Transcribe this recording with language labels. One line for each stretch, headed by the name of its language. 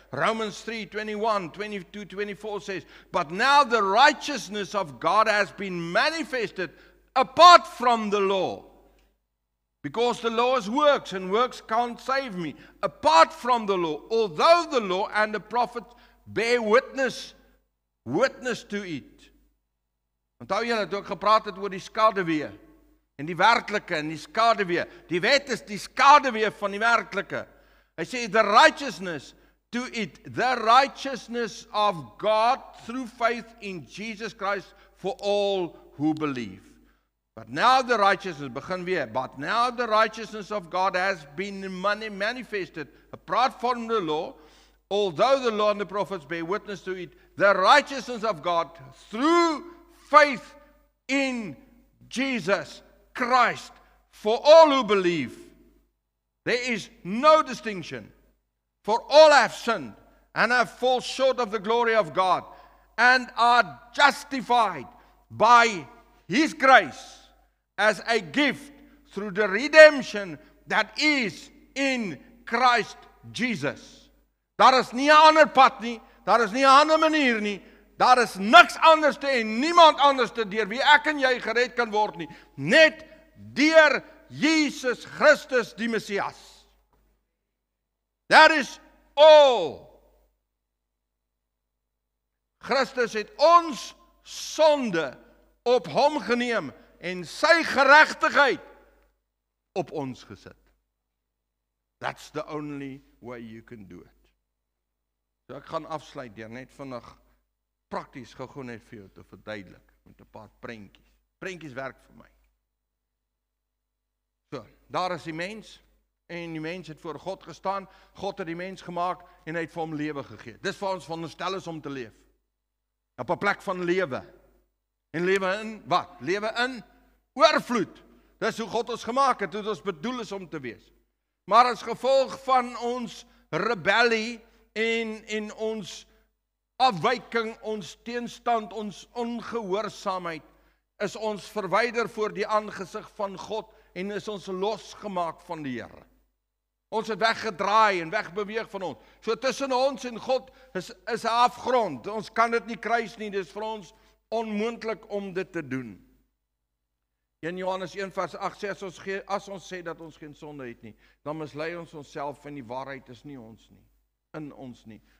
English: Romans 3, 21, 22, 24 says, but now the righteousness of God has been manifested apart from the law, because the law is works, and works can't save me. Apart from the law, although the law and the prophets bear witness to it.
Afrikaans: Want hou julle, toe ek gepraat het oor die skaduwee, en die werklike, en die skaduwee, die wet is die skaduwee van die werklike. Hy sê,
English: the righteousness of God through faith in Jesus Christ for all who believe. But now the righteousness of God has been manifested apart from the law, although the law and the prophets bear witness to it, the righteousness of God through faith in Jesus Christ for all who believe. There is no distinction, for all have sinned and have fallen short of the glory of God and are justified by his grace as a gift through the redemption that is in Christ Jesus.
Afrikaans: Daar is nie 'n ander pad nie, daar is nie 'n ander manier nie, daar is niks anders te en niemand anders te deur wie ek en jy gered kan word nie, net deur Jesus Christus die Messias.
English: That is all.
Afrikaans: Christus het ons sonde op hom geneem, en sy geregtigheid op ons gesit.
English: That's the only way you can do it.
Afrikaans: So ek gaan afsluit hier net vinnig prakties gou net vir jou te verduidelik met 'n paar prentjies. Prentjies werk vir my. So, daar is die mens, en die mens het voor God gestaan, God het die mens gemaak, en hy het vir hom lewe gegee. Dis vir ons veronderstel is om te leef. Op 'n plek van lewe. En lewe in, wat? Lewe in oorvloed. Dis hoe God ons gemaak het, hoe ons bedoel is om te wees. Maar as gevolg van ons rebellie en ons afwyking, ons teenstand, ons ongehoorsaamheid, is ons verwyder voor die aangesig van God en is ons losgemaak van die Here. Ons het weggedraai en wegbeweeg van ons. So tussen ons en God is 'n afgrond. Ons kan dit nie kruis nie, dis vir ons onmoontlik om dit te doen. In Johannes 1 vers 8 sê, as ons sê dat ons geen sonde het nie, dan mislei ons onsself en die waarheid is nie ons nie, in ons nie.